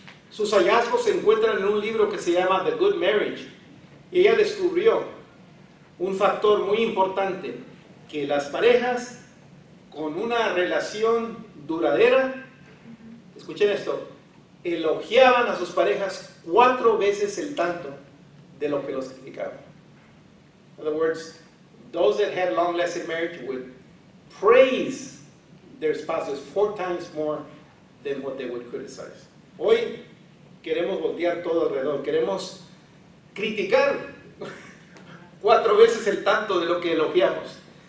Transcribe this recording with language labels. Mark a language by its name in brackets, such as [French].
[Spanish] Sus hallazgos se encuentran en un libro que se llama The Good Marriage, y ella descubrió un factor muy importante: que las parejas con una relación duradera, escuchen esto, elogiaban a sus parejas 4 veces el tanto de lo que los criticaban. [English] In other words, those that had long-lasting marriage would praise their spouses 4 times more than what they would criticize. [Spanish] Hoy queremos voltear todo alrededor, queremos criticar 4 veces el tanto de lo que elogiamos.